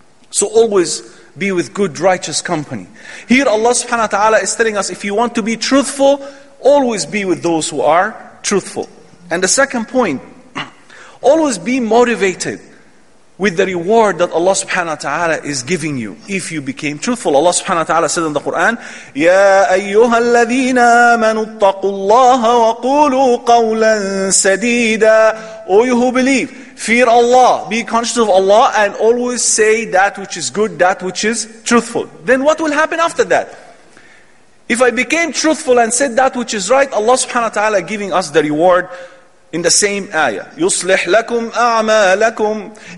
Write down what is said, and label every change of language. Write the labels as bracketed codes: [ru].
[en] So always be with good, righteous company. Here Allah subhanahu wa ta'ala is telling us, if you want to be truthful, always be with those who are truthful. And the second point, always be motivated with the reward that Allah subhanahu wa ta'ala is giving you if you became truthful. Allah subhanahu wa ta'ala said in the Quran, [ar] يَا أَيُّهَا الَّذِينَ آمَنُوا اتَّقُوا اللَّهَ وَقُولُوا قَوْلًا سَدِيدًا. [en] O you who believe, fear Allah, be conscious of Allah, and always say that which is good, that which is truthful. Then what will happen after that? If I became truthful and said that which is right, Allah subhanahu wa ta'ala giving us the reward in the same ayah. [ar] يُصْلِحْ لَكُمْ أَعْمَالَكُمْ.